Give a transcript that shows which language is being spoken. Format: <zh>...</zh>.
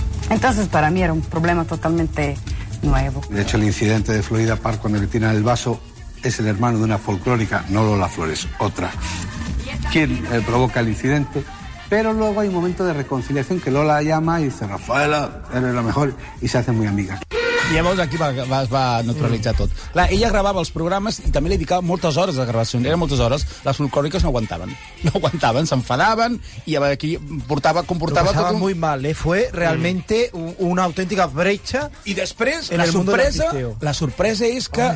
<es>Entonces para mí era un problema totalmente nuevo. De hecho, el incidente de Florida Park cuando le tiran el vaso es el hermano de una folclórica, no Lola Flores, otra, quien provoca el incidente. Pero luego hay un momento de reconciliación que Lola llama y dice, Rafaela, eres la mejor, y se hacen muy amigas.</es> <ca>I llavors aquí va neutralitzar tot. Clar, ella gravava els programes i també li dedicava moltes hores a gravació. Eren moltes hores. Les folclòriques no aguantaven. No aguantaven, s'enfadaven i aquí portava, comportava... Lo passava molt mal, eh?</ca> <es>Fue realmente una auténtica brecha.</es> <ca>I després, la sorpresa és que...</ca>